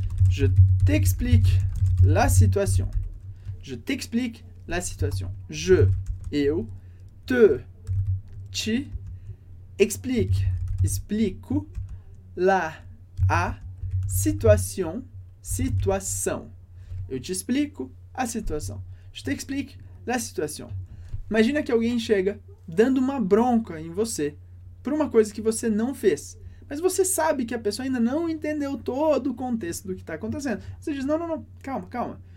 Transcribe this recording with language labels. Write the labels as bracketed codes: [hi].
[fr] Je t'explique la situation. Je t'explique la situation. [pt] Je, eu, te, te, explique, explico, la, a, situation, situação. Eu te explico a situação. [fr] Je t'explique la situation. [pt] Imagina que alguém chega dando uma bronca em você por uma coisa que você não fez. Mas você sabe que a pessoa ainda não entendeu todo o contexto do que está acontecendo. Você diz, não, calma, calma.